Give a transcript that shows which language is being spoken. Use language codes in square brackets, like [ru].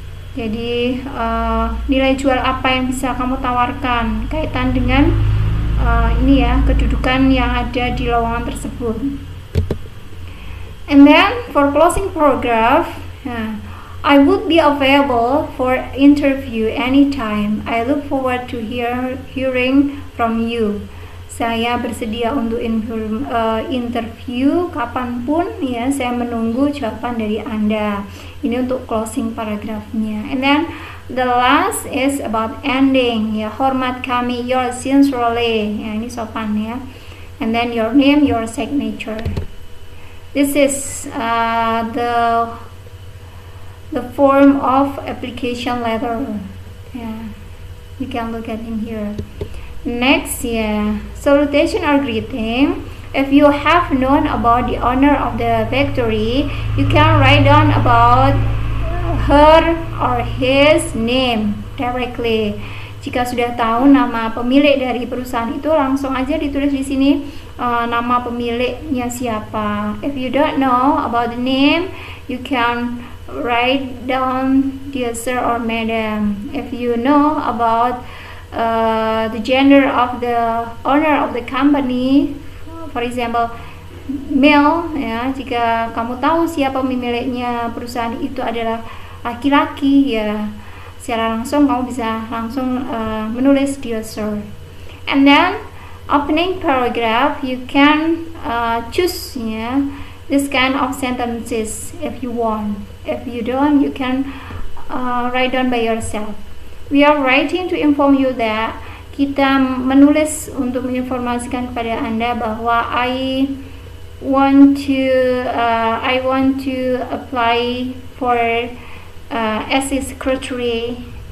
[id] Jadi nilai jual apa yang bisa kamu tawarkan kaitan dengan ini ya, kedudukan yang ada di lowongan tersebut. [en] And then for closing paragraph, I would be available for interview anytime. I look forward to hearing from you. [id] Saya bersedia untuk interview kapanpun, ya. Saya menunggu jawaban dari Anda. Ini untuk closing paragraph-nya. [en] And then the last is about ending. [id] Ya, hormat kami, yours sincerely. Ya, ini sopan ya. [en] And then your name, your signature. This is the form of application letter. Yeah, you can look at in here. Next, yeah, salutation or greeting. If you have known about the owner of the factory, you can write down about her or his name directly. [id] Jika sudah tahu nama pemilik dari perusahaan itu, langsung aja ditulis di sini nama pemiliknya siapa. [en] If you don't know about the name, you can write down dear sir or madam. If you know about the gender of the owner of the company, for example, male, [id] ya, jika kamu tahu siapa pemiliknya perusahaan itu adalah laki-laki, ya, secara langsung kamu bisa langsung menulis dear sir. [en] And then opening paragraph, you can choose, ya, this kind of sentences if you want. If you don't, you can write down by yourself. We are writing to inform you that, [id] kita menulis untuk menginformasikan kepada Anda bahwa [en] I want to apply for as a secretary.